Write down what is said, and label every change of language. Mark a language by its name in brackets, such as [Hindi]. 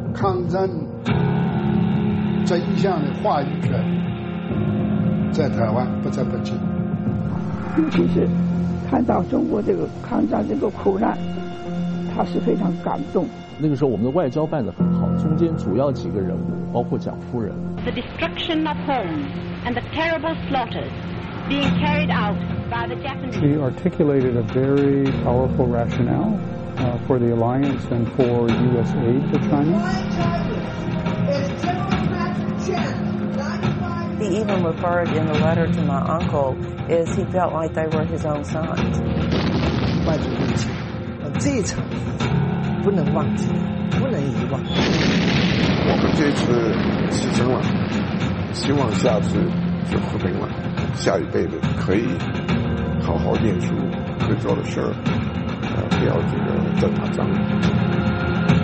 [Chinese] 抗战真相的话语权在台湾不在北京，尤其是看到中国这个抗战这个苦难，他是非常感动。那个时候我们的外交办得很好，中间主要几个人物包括蒋夫人。 [English] The destruction of homes and the terrible slaughters being carried outShe articulated a very powerful rationale for the alliance and for U.S. aid to China. He even referred in the letter to my uncle as he felt like they were his own sons. [Chinese] 外族入侵，这一场不能忘记，不能遗忘。我们这次牺牲了，希望下次就和平了，下一辈子可以。好好念书，会做的事儿，不要这个再打仗。